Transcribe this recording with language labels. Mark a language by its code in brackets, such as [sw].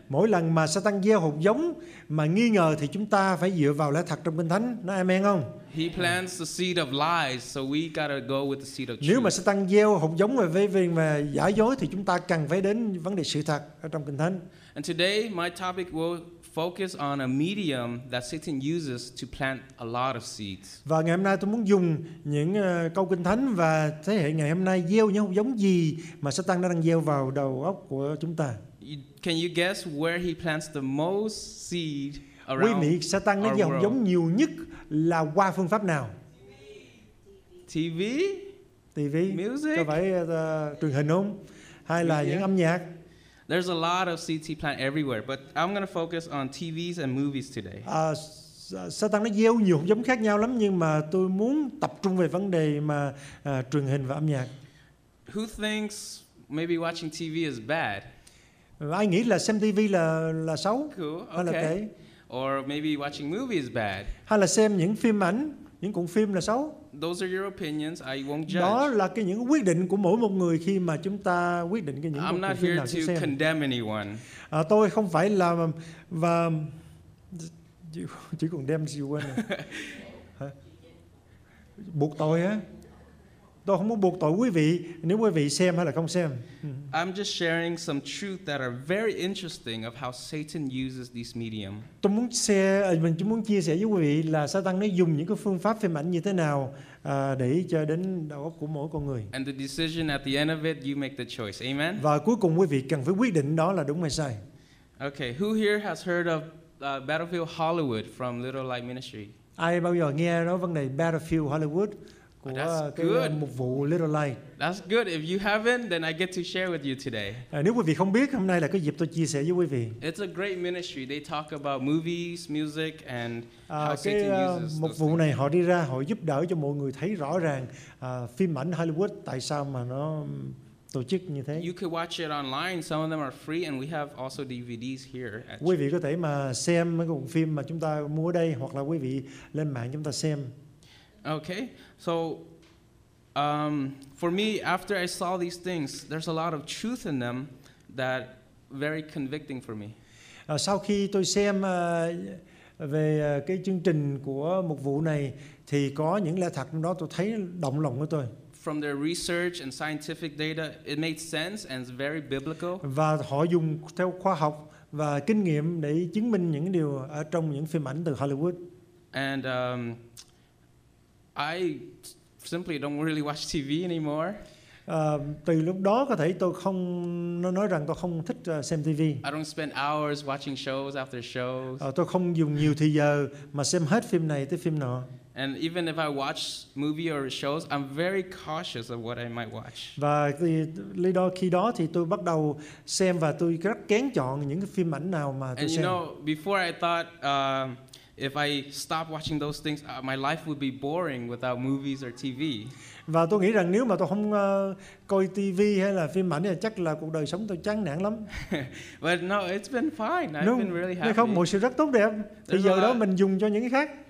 [vi] Mỗi lần mà Satan gieo hạt giống mà nghi ngờ thì chúng ta phải dựa vào lẽ thật trong Kinh Thánh. Nói amen không? [en] He plants the seed of lies, so we gotta go with the seed of truth. [vi] Nếu mà Satan gieo hạt giống về về giả dối thì chúng ta cần phải đến vấn đề sự thật ở trong Kinh Thánh. [en] And today my topic will focus on a medium that Satan uses to plant a lot of seeds. [vi] Và ngày hôm nay tôi muốn dùng những câu Kinh Thánh và thế hệ ngày hôm nay gieo những hạt giống gì mà Satan đang gieo vào đầu óc của chúng ta. [en] Can you guess where he plants the most seed around? [vi] Quý vị, Satan nó gieo hạt giống nhiều nhất là qua phương pháp nào? [en] TV? TV? Music? [vi] Có phải truyền hình không? Hay là những âm nhạc? [en] There's a lot of seeds he plants everywhere, but I'm going to focus on TVs and movies today. [vi] Satan nó gieo nhiều hạt giống khác nhau lắm, nhưng mà tôi muốn tập trung về vấn đề mà truyền hình và âm nhạc. [en] Who thinks maybe watching TV is bad? [vi] Ai nghĩ là xem TV là xấu? [en] Cool. [vi] Hay là okay. [en] Or maybe watching movies is bad. [vi] Hay là xem những phim ảnh, những cuộn phim là xấu? [en] Those are your opinions. I won't judge. [vi] Đó là cái những quyết định của mỗi một người khi mà chúng ta quyết định cái những cuộn phim nào [en] to [vi] xem. [en] Condemn anyone. [vi] Tôi không phải là và chỉ còn đem gì quên. Buộc tội á? Tôi không muốn buộc tội quý vị nếu quý vị xem hay là không xem. [en] I'm just sharing some truth that are very interesting of how Satan uses this medium. [vi] Tôi muốn chia sẻ với quý vị là Satan nó dùng những cái phương pháp phim ảnh như thế nào để cho đến đầu óc của mỗi con người. [en] And the decision at the end of it, you make the choice. Amen. [vi] Và cuối cùng quý vị cần phải quyết định đó là đúng hay sai. [en] Okay, who here has heard of Battlefield Hollywood from Little Light Ministry? [vi] Ai bao giờ nghe nói vấn đề Battlefield Hollywood? [en] That's good. That's good. If you haven't, then I get to share with you today. [vi] Nếu quý vị không biết, hôm nay là cái dịp tôi chia sẻ với quý vị. [en] It's a great ministry. They talk about movies, music, and how Satan uses. [vi] Cái mục vụ này họ đi ra, họ giúp đỡ cho mọi người thấy rõ ràng phim ảnh Hollywood tại sao mà nó tổ chức như thế. [en] You can watch it online. Some of them are free, and we have also DVDs here. [vi] Quý vị có thể mà xem mấy cuộn phim mà chúng ta mua ở đây, hoặc là quý vị lên mạng chúng ta xem. [en] Okay, so for me, after I saw these things, there's a lot of truth in them that very convicting for me. [vi] Sau khi tôi xem về cái chương trình của mục vụ này, thì có những lẽ thật đó tôi thấy động lòng của tôi. [en] From their research and scientific data, it made sense and it's very biblical. [vi] Và họ dùng theo khoa học và kinh nghiệm để chứng minh những điều ở trong những phim ảnh từ Hollywood. [en] And I simply don't really watch TV anymore. [vi] Từ lúc đó có thể tôi không nói rằng tôi không thích xem TV. [en] I don't spend hours watching shows after shows. [vi] Tôi không dùng nhiều thời giờ mà xem hết phim này tới phim nọ. [en] And even if I watch movie or shows, I'm very cautious of what I might watch. [vi] Và lý do khi đó thì tôi bắt đầu xem và tôi rất kén chọn những cái phim ảnh nào mà tôi [en] and [vi] xem. [en] And you know, before I thought if I stop watching those things, my life would be boring without movies or TV. [vi] Và tôi nghĩ rằng nếu mà tôi không coi TV hay là phim ảnh thì chắc là cuộc đời sống tôi chán nản lắm. [en] But no, it's been fine. I've been really happy. [vi] Không, mọi sự rất tốt đẹp. Thì giờ đó mình dùng cho những cái khác.